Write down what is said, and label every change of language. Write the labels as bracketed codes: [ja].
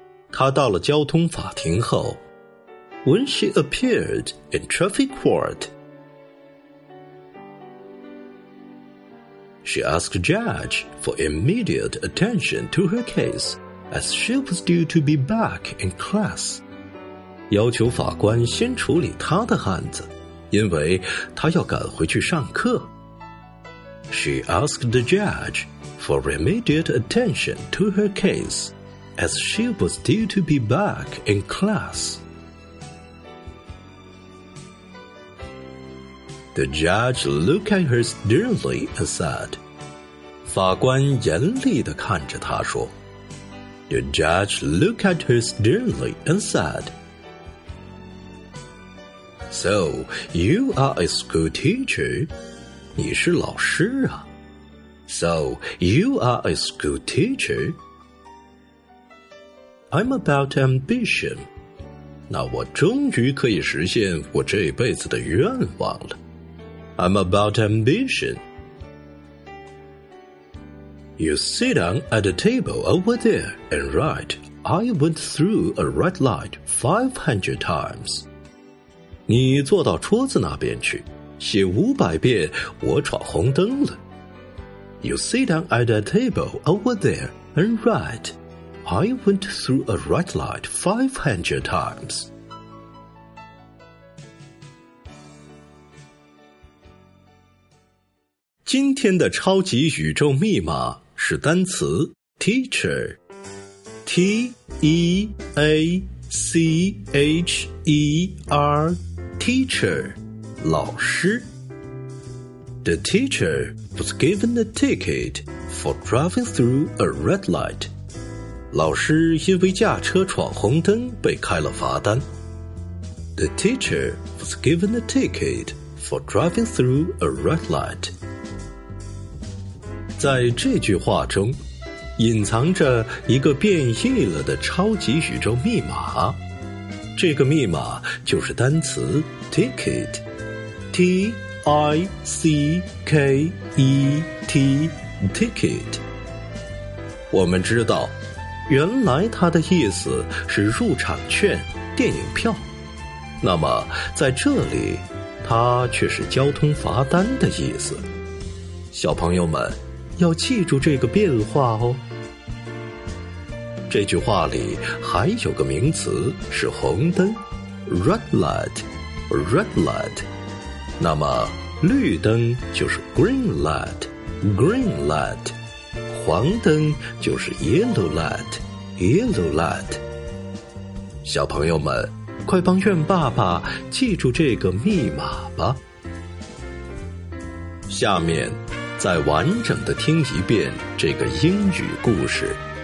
[zh] 她到了交通法庭后。 [en] When she appeared in traffic court,She asked judge for immediate attention to her case as she was due to be back in class. [zh] 要求法官先处理她的案子，因为她要赶回去上课。 [en] She asked the judge for immediate attention to her case as she was due to be back in class. The judge looked at her sternly and said, [zh] 法官严厉地看着他说。 [en] The judge looked at her sternly and said, So, you are a school teacher. [zh] 你是老师啊。 [en] So, you are a school teacher. I'm about ambition. [zh] 那我终于可以实现我这辈子的愿望了。 [en] I'm about ambition. You sit down at a table over there and write, I went through a red light 500 times. [zh] 你坐到桌子那边去，写500遍我闯红灯了。 [en] You sit down at a table over there and write, I went through a red light 500 times. [zh] 今天的超级宇宙密码是单词 teacher, T E A C H E R, teacher, 老师。 [en] The teacher was given a ticket for driving through a red light. [zh] 老师因为驾车闯红灯被开了罚单。 [en] The teacher was given a ticket for driving through a red light. [zh] 在这句话中，隐藏着一个变异了的超级宇宙密码。这个密码就是单词 ticket， T-I-C-K-E-T, ticket。我们知道，原来它的意思是入场券、电影票。那么在这里，它却是交通罚单的意思。小朋友们，要记住这个变化哦。这句话里还有个名词是红灯 ，red light， red light。那么绿灯就是 green light， green light。黄灯就是 yellow light， yellow light。小朋友们，快帮愿爸爸记住这个密码吧。下面再完整地听一遍这个英语故事。